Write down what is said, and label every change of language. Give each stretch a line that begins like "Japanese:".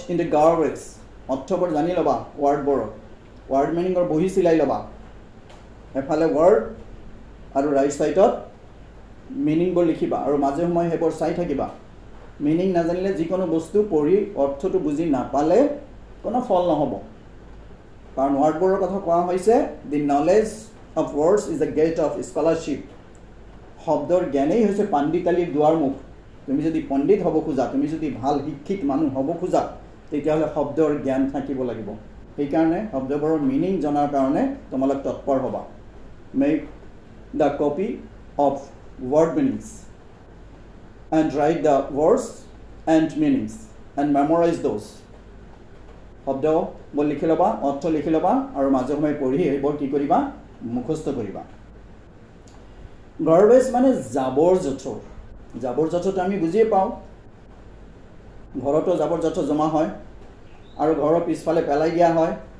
English: in the garbage,
Assamese: অৰ্থবোৰ জানি ল'বা, ৱৰ্ডবোৰ word মিনিঙৰ বহি চিলাই ল'বা, এফালে ৱৰ্ড আৰু ৰাইট ছাইডত মিনিংবোৰ লিখিবা আৰু মাজে সময়ে সেইবোৰ চাই থাকিবা। মিনিং নাজানিলে, যিকোনো বস্তু পঢ়ি অৰ্থটো বুজি নাপালে কোনো ফল নহ'ব, কাৰণ ৱৰ্ডবোৰৰ কথা কোৱা হৈছে
English: the knowledge of words is the gate of scholarship,
Assamese: শব্দৰ জ্ঞানেই হৈছে পাণ্ডিতালীৰ দুৱাৰমুখ। তুমি যদি পণ্ডিত হ'ব খোজা, তুমি যদি ভাল শিক্ষিত মানুহ হ'ব খোজা, তেতিয়াহ'লে শব্দৰ জ্ঞান থাকিব লাগিব। সেইকাৰণে শব্দবোৰৰ মিনিং জনাৰ কাৰণে তোমালোক তৎপৰ হ'বা।
English: Make the copy of word meanings and write the words and meanings and memorize those.
Assamese: শব্দ বল লিখি ল'বা, অর্থ লিখি ল'বা আৰু মাজে সময়ে পঢ়ি এইবোৰ কি কৰিবা, মুখস্থ কৰিবা। গাৰ্বেজ মানে জাবৰ জোথৰ। জাবৰ জোথৰটো আমি বুজিয়ে পাওঁ, ঘৰতো জাবৰ জোথৰ জমা হয় আৰু ঘৰৰ পিছফালে পেলাই দিয়া হয়।